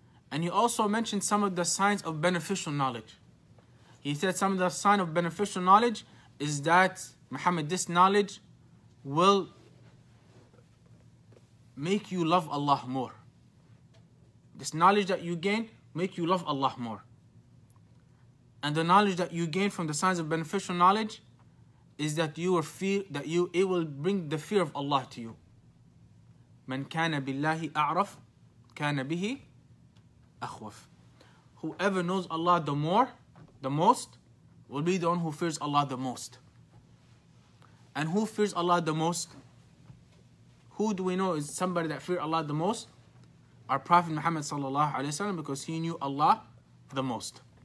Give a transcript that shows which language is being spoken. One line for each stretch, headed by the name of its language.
English: And he also mentioned some of the signs of beneficial knowledge. He said some of the sign of beneficial knowledge is that, Muhammad, this knowledge will make you love Allah more. This knowledge that you gain, make you love Allah more. And the knowledge that you gain from the signs of beneficial knowledge is that you will feel that you, it will bring the fear of Allah to you.
Arabic: من كان بالله أعرف كان به أخوف.
English: Whoever knows Allah the most, will be the one who fears Allah the most. And who fears Allah the most? Who do we know is somebody that fears Allah the most? Our Prophet Muhammad sallallahu alaihi wasallam, because he knew Allah the most.